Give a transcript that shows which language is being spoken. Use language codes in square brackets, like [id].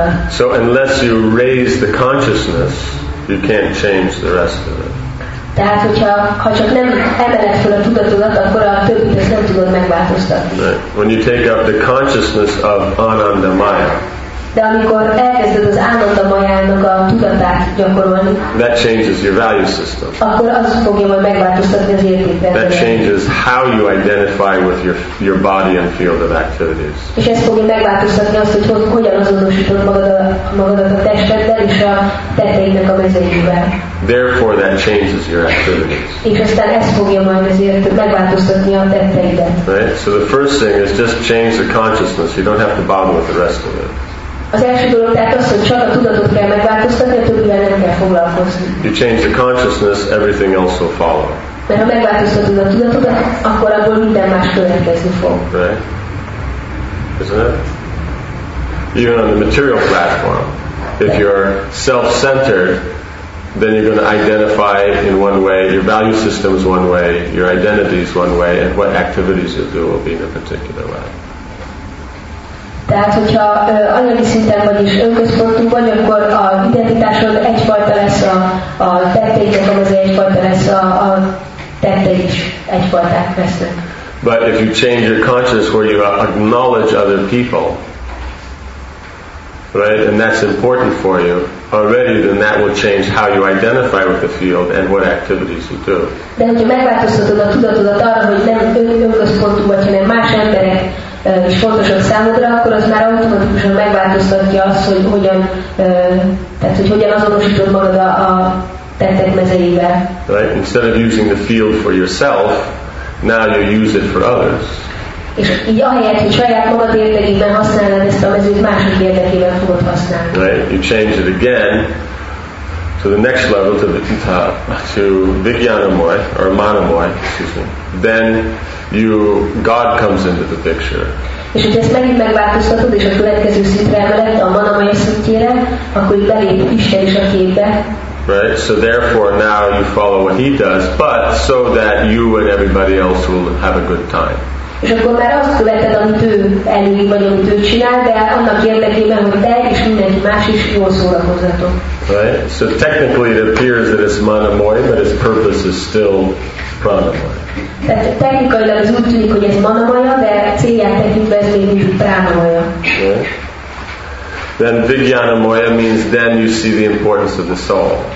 [en] So unless you raise the consciousness, you can't change the rest of it. [hu] Tehát ha csak nem emeled fel a tudatodat, akkor a többit ezt nem tudod megváltoztatni. [en] Right. When you take up the consciousness of Anandamaya. [hu] De amikor elkezded az Anandamayának a tudatát gyakorolni. [en] That changes your value system. [hu] Akkor az fogja majd megváltoztatni az értékrendet. [en] That changes how you identify with your body and field of activities. [hu] És ez fogja megváltoztatni azt, hogy hogyan azonosítod magadat a testeddel és a tetteidnek a mezeivel. [en] Therefore that changes your activities. [hu] És aztán ez fogja majd azért megváltoztatni a tetteidet. [en] Right? So the first thing is just change the consciousness. You don't have to bother with the rest of it. [hu] Az első dolog tehát az, hogy csak a tudatot kell megváltoztatni, a többivel nem kell foglalkozni. [en] You change the consciousness, everything else will follow. [hu] Mert ha megváltoztatod a tudatodat, akkor abból minden más következni fog. [en] Right? Isn't it? Even on the material platform, if you're self-centered, then you're going to identify in one way, your value system is one way, your identity is one way, and what activities you do will be in a particular way. [hu] Tehát, hogyha anyagi szinten vagyis önközpontunk vagy, akkor a identitásod egyfajta lesz a tetteidnek, az egyfajta lesz a tetteid is egyfajta lesznek. [en] But if you change your consciousness where you acknowledge other people, right, and that's important for you already, then that will change how you identify with the field and what activities you do. [hu] De hogyha megváltoztatod a tudatodat arra, hogy nem önközpontú vagy, hanem más emberek is fontosak számodra, akkor az már automatikusan megváltoztatja azt, hogy hogyan, tehát hogy hogyan azonosítod magad a tettek mezeivel. [en] Right, instead of using the field for yourself, now you use it for others. [hu] És így ahelyett, hogy saját magad érdekében használod ezt a mezőt, másik érdekében fogod használni. [en] Right, you change it again to the next level, to the tita, to vijnanamoy or manamoy, excuse me. Then you, God comes into the picture. [hu] És hogy ezt megint megváltoztatod, és a következő szintre emeled, a manamoy szintjére, akkor így belép Isten is a képbe. [en] Right, so therefore now you follow what he does, but so that you and everybody else will have a good time. [hu] És akkor már azt követed, amit ő elég, vagy amit ő csinál, de annak érdekében, hogy te és mindenki más is jól szórakozzatok. [en] Right, so technically it appears that it's manamoy, but its purpose is still pranamoy. [hu] Tehát technikailag az úgy tűnik, hogy ez manamoya, de célját tekintve ez még mindig pranamoya. [en] Right. Then vijnanamoya means then you see the importance of the soul.